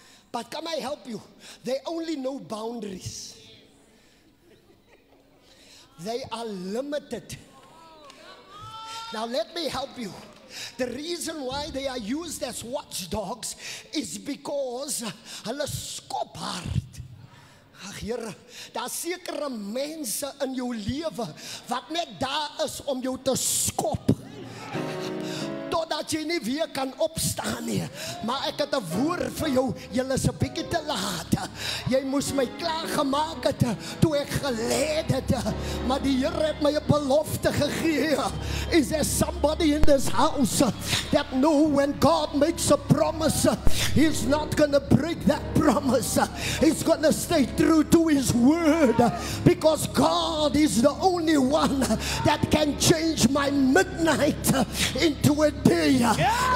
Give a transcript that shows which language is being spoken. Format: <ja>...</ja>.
<en>But can I help you? They only know boundaries. They are limited. Now let me help you. The reason why they are used as watchdogs is because</en> <af>hulle skop hard. Ag Here, daar sekere mense in jou lewe wat net daar is om jou te skop totdat jy nie weer kan opstaan nie. Maar ek het 'n woord vir jou. Jy is 'n bietjie te laat. Jy moes my klaar gemaak het toe ek gelê het. Maar die Here het my 'n belofte gegee.</af> <en>Is there somebody in this house that know when God makes a promise, He's not going to break that promise. He's going to stay true to His word. Because God is the only one that can change my midnight into a day. Yeah.</en>